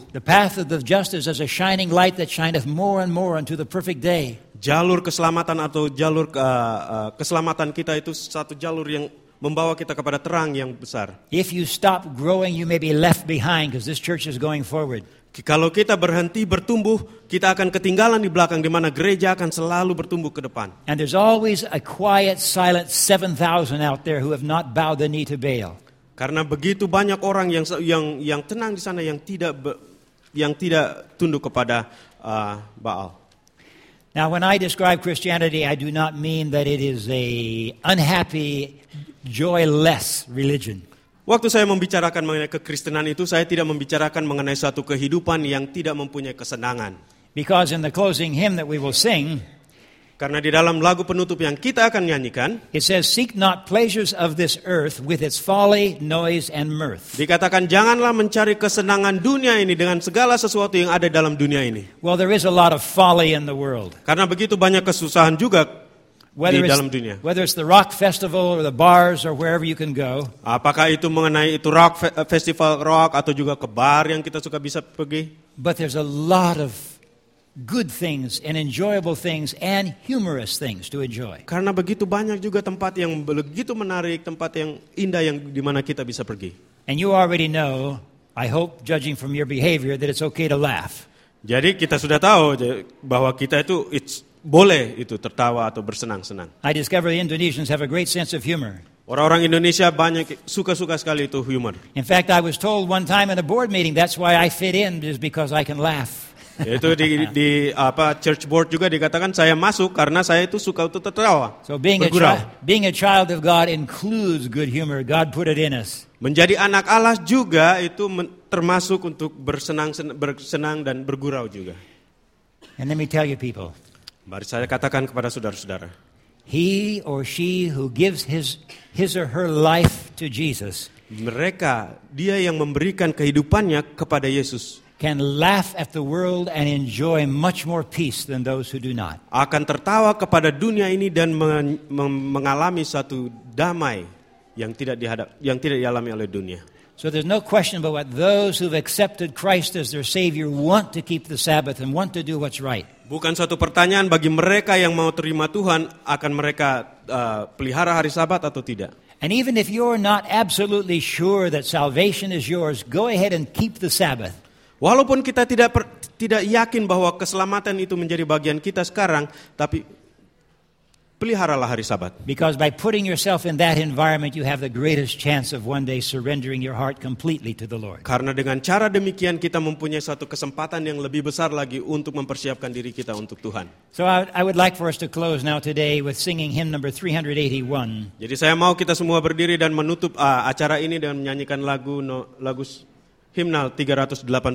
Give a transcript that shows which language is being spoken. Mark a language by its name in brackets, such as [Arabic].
[English] The path of the just is as a shining light that shineth more and more unto the perfect day. [Indonesian] Jalur keselamatan atau jalur keselamatan kita itu satu jalur yang membawa kita kepada terang yang besar. [English] If you stop growing, you may be left behind because this church is going forward. [Indonesian] Kalau kita berhenti bertumbuh, kita akan ketinggalan di belakang di mana gereja akan selalu bertumbuh ke depan. [English] And there's always a quiet, silent 7,000 out there who have not bowed the knee to Baal. [Indonesian] Karena begitu banyak orang yang tenang di sana yang tidak tunduk kepada Baal. [English] Now when I describe Christianity, I do not mean that it is a unhappy, joyless religion. [Indonesian] Waktu saya membicarakan mengenai kekristenan itu, saya tidak membicarakan mengenai suatu kehidupan yang tidak mempunyai kesenangan. [English] Because in the closing hymn that we will sing, [Indonesian] karena di dalam lagu penutup yang kita akan nyanyikan, [English] it says, "Seek not pleasures of this earth with its folly, noise, and mirth." [Indonesian] Dikatakan janganlah mencari kesenangan dunia ini dengan segala sesuatu yang ada dalam dunia ini. [English] Well, there is a lot of folly in the world. [Indonesian] Karena begitu banyak kesusahan juga di dalam dunia. [English] Whether it's the rock festival or the bars or wherever you can go. [Indonesian] Apakah itu mengenai itu rock festival rock atau juga ke bar yang kita suka bisa pergi? [English] But there's a lot of good things and enjoyable things and humorous things to enjoy. [Indonesian] Karena begitu banyak juga tempat yang begitu menarik, tempat yang indah yang di mana kita bisa pergi. [English] And you already know, I hope judging from your behavior that it's okay to laugh. [Indonesian] Jadi kita sudah tahu bahwa kita itu it's boleh itu tertawa atau bersenang-senang. [English] I discovered the Indonesians have a great sense of humor. [Indonesian] Orang-orang Indonesia banyak suka-suka sekali itu humor. [English] In fact, I was told one time in a board meeting that's why I fit in is because I can laugh. [Indonesian] Itu di church board juga dikatakan saya masuk karena saya itu suka untuk tertawa. [English] So being a child of God includes good humor. God put it in us. [Indonesian] Menjadi anak Allah juga itu termasuk untuk bersenang dan bergurau juga. [English] And let me tell you people. [Indonesian] Mari saya katakan kepada saudara-saudara. [English] He or she who gives his or her life to Jesus. [Indonesian] Mereka dia yang memberikan kehidupannya kepada Yesus. [English] Can laugh at the world and enjoy much more peace than those who do not. [Indonesian] Akan tertawa kepada dunia ini dan mengalami satu damai yang tidak dialami oleh dunia. [English] So there's no question about what those who've accepted Christ as their Savior want to keep the Sabbath and want to do what's right. [Indonesian] Bukan suatu pertanyaan bagi mereka yang mau terima Tuhan, akan mereka pelihara hari Sabat atau tidak. [English] And even if you're not absolutely sure that salvation is yours, go ahead and keep the Sabbath. [Indonesian] Walaupun kita tidak yakin bahwa keselamatan itu menjadi bagian kita sekarang, tapi Peliharalah hari Sabat. [English] Because by putting yourself in that environment, you have the greatest chance of one day surrendering your heart completely to the Lord. [Indonesian] Karena dengan cara demikian kita mempunyai suatu kesempatan yang lebih besar lagi untuk mempersiapkan diri kita untuk Tuhan. [English] So I would like for us to close now today with singing hymn number 381. [Indonesian] Jadi saya mau kita semua berdiri dan menutup acara ini dengan menyanyikan lagu hymnal 381.